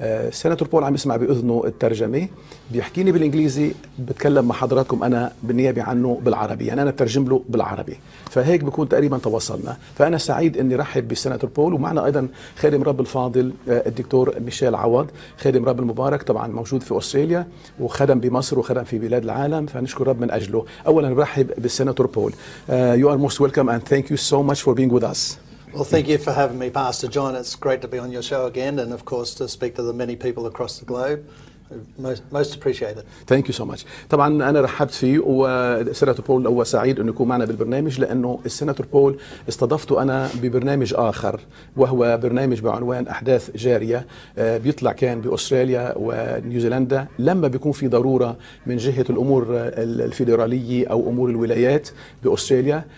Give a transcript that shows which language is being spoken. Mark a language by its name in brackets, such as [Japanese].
[Arabic] سناتور بول عم يسمع بأذنه الترجمة، بيحكيني بالإنجليزي، بتكلم مع حضراتكم أنا بالنيابة عنه بالعربي، يعني أنا بترجم له بالعربي. فهيك بكون تقريبا تواصلنا. فأنا سعيد أني رحب بالسناتور بول، ومعنا أيضا خادم رب الفاضل الدكتور ميشيل عوض، خادم رب المبارك طبعا موجود في أستراليا وخدم بمصر وخدم في بلاد العالم، فنشكر رب من أجله. أولا رحب بالسناتور بول. [English] You are most welcome and thank you so much for being with us. Well, thank you for having me, Pastor John. It's great to be on your show again, and of course to speak to the many people across the globe. Most appreciate it. Thank you so much. [Arabic] طبعا أنا رحبت فيه، والسناتور بول هو سعيد أن يكون معنا بالبرنامج، لأنه السناتور بول استضفته أنا ببرنامج آخر، وهو برنامج بعنوان أحداث جارية، بيطلع كان بأستراليا ونيوزيلندا لما بيكون في ضرورة من جهة الأمور الفيدرالية أو أمور الولايات بأستراليا.